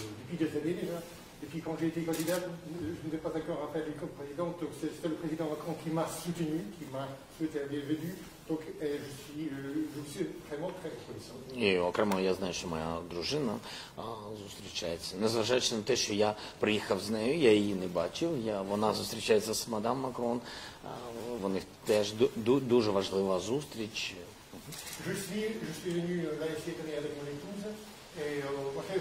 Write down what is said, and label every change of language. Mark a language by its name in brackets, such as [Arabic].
[French] Et puis quand j'ai été candidat, je n'étais pas d'accord à faire les co-présidents, donc c'est le président Macron qui m'a soutenu, qui m'a souhaité la bienvenue. Donc je suis vraiment très reconnaissant. [Ukrainian] Et окремо я знаю, що моя дружина зустрічається. Незважаючи на те, що я приїхав з нею, я її не бачив. Вона зустрічається з мадам Макрон. У них теж дуже важлива зустріч. [French] Je suis venu là ici cette année avec mon épouse.